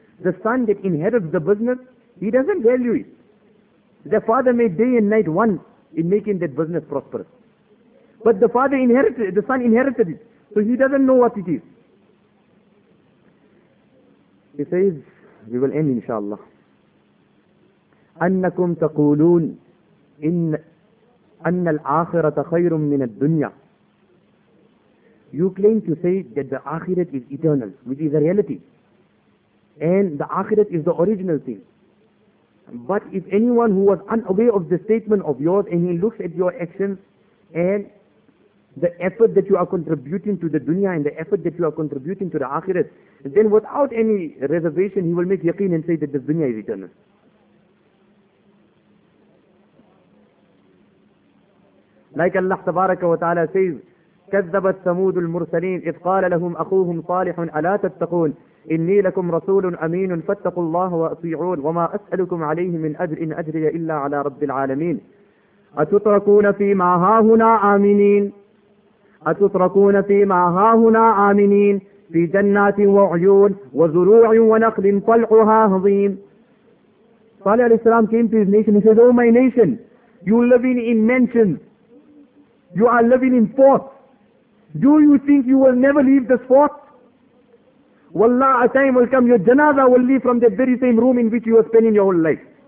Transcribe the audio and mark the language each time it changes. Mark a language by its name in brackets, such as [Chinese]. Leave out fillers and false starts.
[English] The son that inherits the business, he doesn't value it. The father made day and night one in making that business prosperous. But the son inherited it. So he doesn't know what it is. He says, we will end inshallah. [Arabic] أنكم تقولون أن الآخرة خير من الدنيا. [English] You claim to say that the Akhirat is eternal, which is a reality. And the Akhirat is the original thing. But if anyone who was unaware of the statement of yours and he looks at your actions and the effort that you are contributing to the dunya and the effort that you are contributing to the akhirat, then without any reservation, he will make yaqeen and say that the dunya is eternal. Like Allah tabaraka wa ta'ala says, [Arabic] كَذَّبَتْ ثَمُودُ الْمُرْسَلِينَ إِذْ قَالَ لَهُمْ أَخُوهُمْ صَالِحٌ أَلَا تَتَّقُونَ إِنِّي لَكُمْ رَسُولٌ أَمِينٌ فَاتَّقُوا اللَّهَ وَأَطِيعُونَ وَمَا أَسْأَلُكُمْ عَلَيْهِ مِنْ أَجْرٍ إِنْ أَجْرِيَ إِلَّا عَلَى رَبِّ الْعَالَمِينَ أَتُتْرَكُونَ فِيمَا هَاهُنَا آمِنِينَ أتتركون فيما هاهنا آمنين في جنات وعيون وزروع ونخل طلعها هضيم. [English] صالح عليه السلام came to his nation. He says, oh my nation, you living in mansions, you are living in forts. Do you think you will never leave this fort? Wallah, a time will come, your janazah will leave from the very same room in which you were spending your whole life.